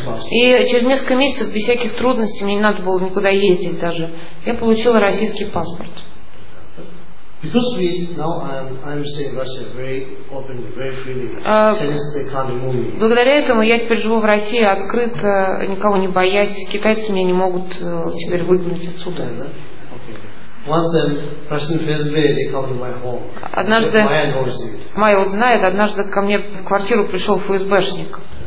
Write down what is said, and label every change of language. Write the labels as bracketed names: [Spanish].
[Russian] И через несколько месяцев, без всяких трудностей, мне не надо было никуда ездить даже, я получила российский паспорт. [English] Because we now I'm staying in Russia very openly, very freely. Chinese they can't remove me. [Russian] Благодаря этому я теперь живу в России открыто, никого не боясь. Китайцы меня не могут теперь выгнать отсюда. [English] Once Russian FSB they come to my home. [Russian] Однажды [English] Майя knows it. [Russian] Майя вот знает. Однажды ко мне в квартиру пришел ФСБшник.